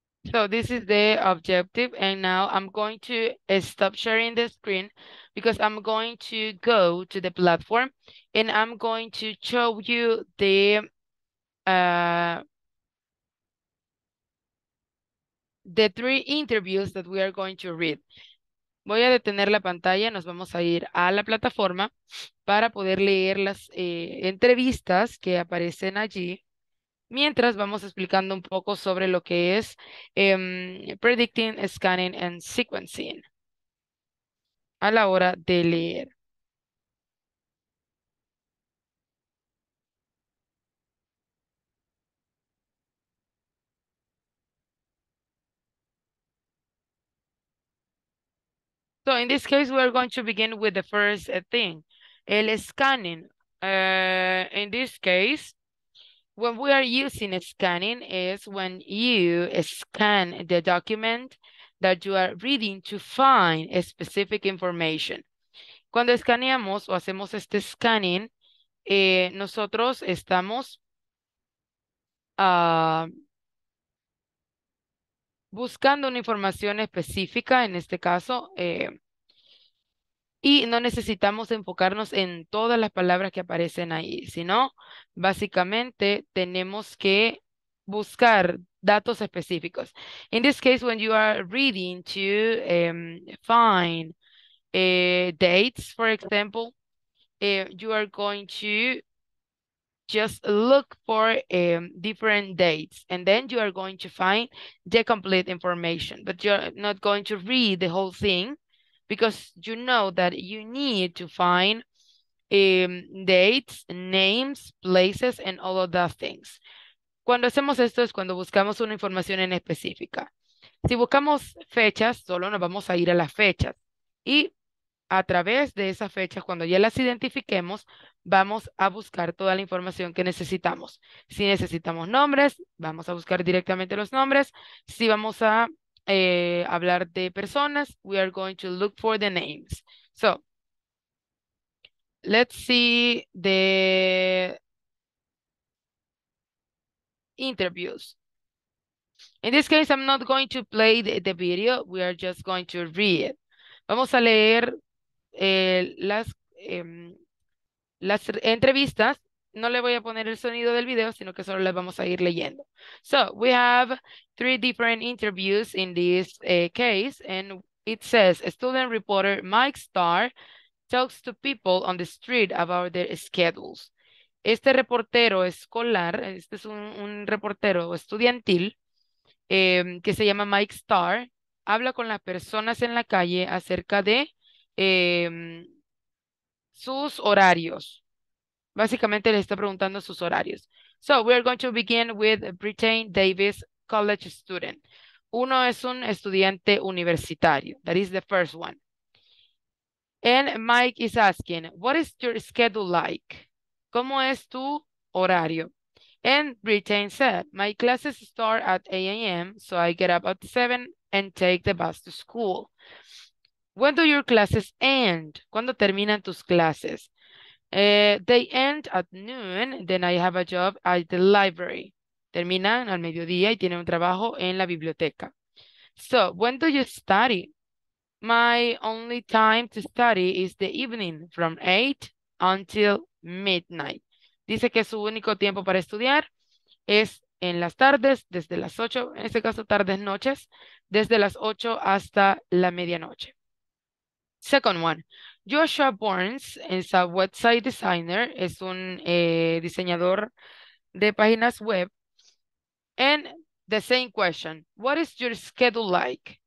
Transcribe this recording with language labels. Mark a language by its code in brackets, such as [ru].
[en] So this is the objective and now I'm going to stop sharing the screen because I'm going to go to the platform and I'm going to show you the three interviews that we are going to read. [es] Voy a detener la pantalla, nos vamos a ir a la plataforma para poder leer las entrevistas que aparecen allí. Mientras vamos explicando un poco sobre lo que es predicting, scanning, and sequencing a la hora de leer. [en] So in this case, we are going to begin with the first thing, el scanning. In this case, when we are using scanning is when you scan the document that you are reading to find a specific information. [es] Cuando escaneamos o hacemos este scanning, nosotros estamos buscando una información específica, en este caso, y no necesitamos enfocarnos en todas las palabras que aparecen ahí, sino básicamente tenemos que buscar datos específicos. [en] In this case, when you are reading to find dates, for example, you are going to just look for different dates, and then you are going to find the complete information, but you're not going to read the whole thing because you know that you need to find dates, names, places, and all of those things. [es] Cuando hacemos esto es cuando buscamos una información en específica. Si buscamos fechas, solo nos vamos a ir a las fechas. Y a través de esas fechas, cuando ya las identifiquemos, vamos a buscar toda la información que necesitamos. Si necesitamos nombres, vamos a buscar directamente los nombres. Si vamos a hablar de personas, [en] we are going to look for the names. So, let's see the interviews. In this case, I'm not going to play the video. We are just going to read. [es] Vamos a leer las entrevistas. No le voy a poner el sonido del video, sino que solo las vamos a ir leyendo. [en] So, we have three different interviews in this case, and it says, student reporter Mike Starr talks to people on the street about their schedules. [es] Este reportero escolar, este es un reportero estudiantil que se llama Mike Starr, habla con las personas en la calle acerca de sus horarios. Básicamente le está preguntando sus horarios. [en] So, we are going to begin with Brittany Davis, college student. [es] Uno es un estudiante universitario. [en] That is the first one. And Mike is asking, what is your schedule like? [es] ¿Cómo es tu horario? [en] And Brittany said, my classes start at 8 a.m., so I get up at 7 and take the bus to school. When do your classes end? [es] ¿Cuándo terminan tus clases? [en] They end at noon, then I have a job at the library. [es] Terminan al mediodía y tienen un trabajo en la biblioteca. [en] So, when do you study? My only time to study is the evening, from 8 until midnight. [es] Dice que su único tiempo para estudiar es en las tardes, desde las 8, en este caso tardes, noches, desde las 8 hasta la medianoche. [en] Second one. Joshua Burns is a website designer, [es] es un diseñador de páginas web. [en] And the same question, what is your schedule like?